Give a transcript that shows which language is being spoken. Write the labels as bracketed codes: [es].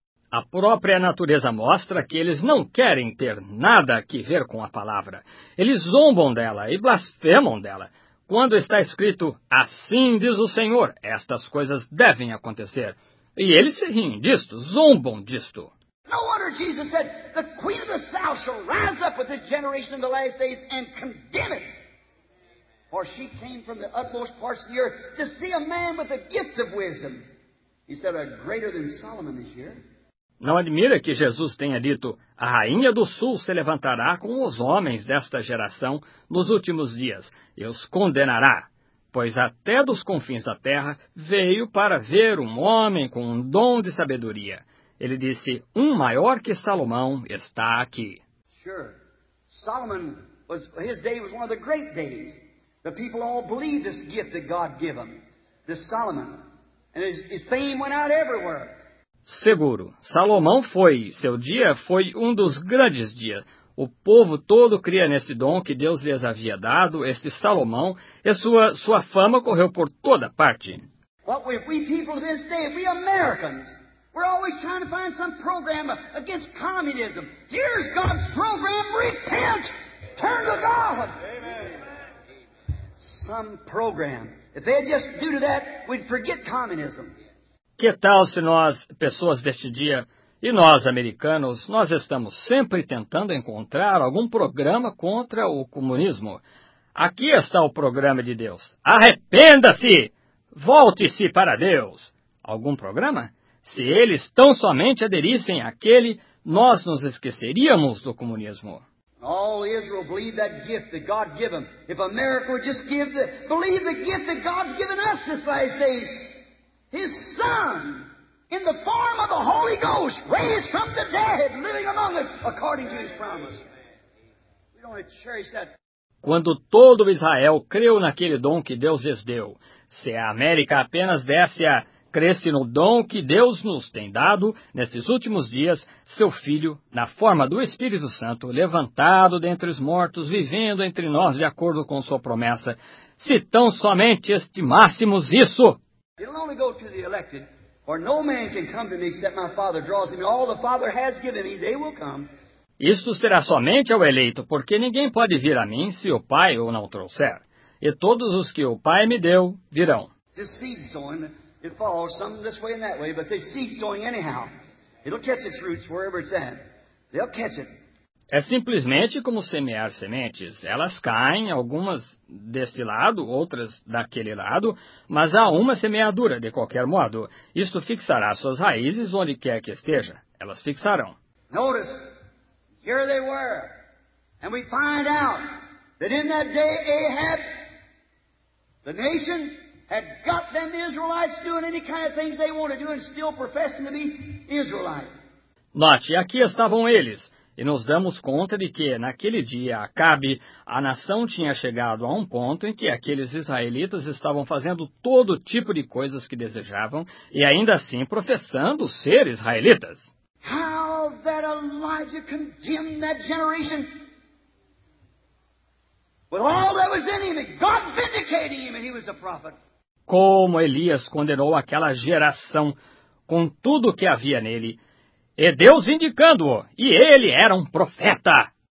[pt] A própria natureza mostra que eles não querem ter nada que ver com a palavra. Eles zombam dela e blasfemam dela. Quando está escrito, assim diz o Senhor, estas coisas devem acontecer. E eles se riem disto, zombam disto. [en] No wonder Jesus said, the queen of the south shall rise up with this generation in the last days and condemn it. For she came from the utmost parts of the earth to see a man with a gift of wisdom. He said, a greater than Solomon is here. [pt] Não admira que Jesus tenha dito, a rainha do sul se levantará com os homens desta geração nos últimos dias e os condenará, pois até dos confins da terra veio para ver um homem com um dom de sabedoria. Ele disse, um maior que Salomão está aqui. [en] Sure. Solomon, his day was one of the great days. The people all believed this gift that God gave him, this Solomon. And his fame went out everywhere. [pt] Seguro, Salomão foi, seu dia foi um dos grandes dias. O povo todo cria nesse dom que Deus lhes havia dado, este Salomão, e sua fama correu por toda parte. [en] But we people this day, we Americans, we're always trying to find some program against communism. Here's God's program, repent, turn to God. Amen. Some program. If they just do to that, we'd forget communism. [pt] Que tal se nós, pessoas deste dia, e nós, americanos, nós estamos sempre tentando encontrar algum programa contra o comunismo? Aqui está o programa de Deus. Arrependa-se! Volte-se para Deus! Algum programa? Se eles tão somente aderissem àquele, nós nos esqueceríamos do comunismo. [en] All Israel believe that gift that God gave them. If America would just give the, believe the gift that God's given us this last days. His Son, in the form of the Holy Ghost, raised from the dead, living among us, according to His promise. We don't want to cherish that. [pt] Quando todo Israel creu naquele dom que Deus lhes deu, se a América apenas desse a cresce no dom que Deus nos tem dado, nesses últimos dias, seu Filho, na forma do Espírito Santo, levantado dentre os mortos, vivendo entre nós de acordo com sua promessa, se tão somente estimássemos isso. [en] It'll only go to the elected, for no man can come to me except my Father draws him. All the Father has given me, they will come. [pt] Isto será somente ao eleito, porque ninguém pode vir a mim se o Pai o não trouxer. E todos os que o Pai me deu virão. [en] The seed sowing, it falls some this way and that way, but the seed sowing anyhow. It'll catch its roots wherever it's at. They'll catch it. [pt] É simplesmente como semear sementes. Elas caem, algumas deste lado, outras daquele lado, mas há uma semeadura, de qualquer modo. Isto fixará suas raízes onde quer que esteja. Elas fixarão. [en] Notice, here they were. And we find out that in that day Ahab, the nation, had got them Israelites doing any kind of things they want to do and still professing to be Israelites. [pt] Note, aqui estavam eles. e nos damos conta de que, naquele dia, Acabe, a nação tinha chegado a um ponto em que aqueles israelitas estavam fazendo todo tipo de coisas que desejavam e, ainda assim, professando ser israelitas. [en] How that Elijah condemned that generation with all that was in him, God vindicating him, and he was a prophet. [pt] Como Elias condenou aquela geração com tudo o que havia nele, e Deus indicando-o, e ele era um profeta.